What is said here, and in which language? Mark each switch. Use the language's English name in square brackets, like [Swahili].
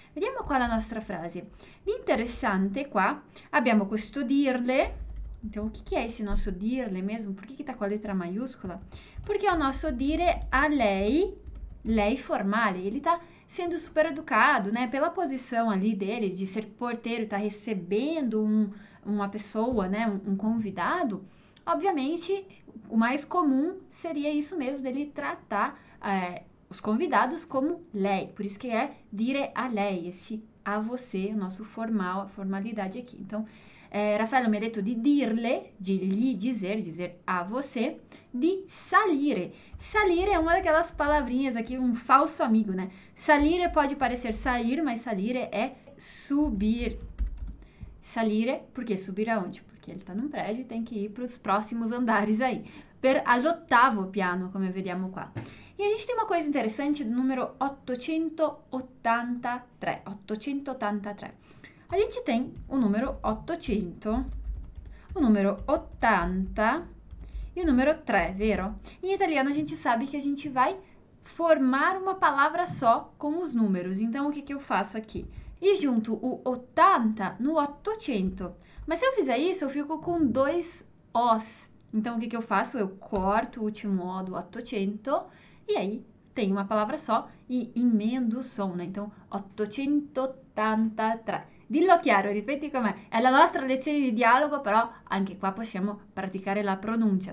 [Italian] Vediamo qua la nostra frase. L'interessante qua, abbiamo questo dirle. [Portuguese] Então, o que é esse nosso dirle mesmo? Por que está com a letra maiúscula? Porque é o nosso dire a lei, lei formale. Ele está sendo super educado, né? Pela posição ali dele de ser porteiro, está recebendo uma pessoa, né? Um convidado. Obviamente, o mais comum seria isso mesmo, dele tratar os convidados como lei. Por isso que é dire a lei, esse a você, o nosso formal, a formalidade aqui. Então, Raffaello [Italian] mi ha detto di dirle, [Portuguese] di gli dizer a você, di salire. [Italian] Salire è una di quelle [Portuguese] palavrinhas aqui, [Italian] un falso amico, né? Salire può [Portuguese] parecer sair, [Italian] ma salire è [Portuguese] subir. [Italian] Salire, perché subire [Portuguese] aonde? Perché ele está num prédio e tem que ir para os próximos andares aí. [Italian] Per all'ottavo piano, come vediamo qua. [Portuguese] E a gente tem uma coisa interessante no numero 883. 883. A gente tem o número 800, o número 80 e o número 3, vero? Em italiano a gente sabe que a gente vai formar uma palavra só com os números. Então o que que eu faço aqui? E junto o 80 no 800. Mas se eu fizer isso, eu fico com dois os. Então o que que eu faço? Eu corto o último o do 800 e aí tem uma palavra só e emendo o som, né? Então [Italian] 883. Dillo chiaro, ripeti com me. È la nostra lezione di dialogo, però anche qua possiamo praticare la pronuncia.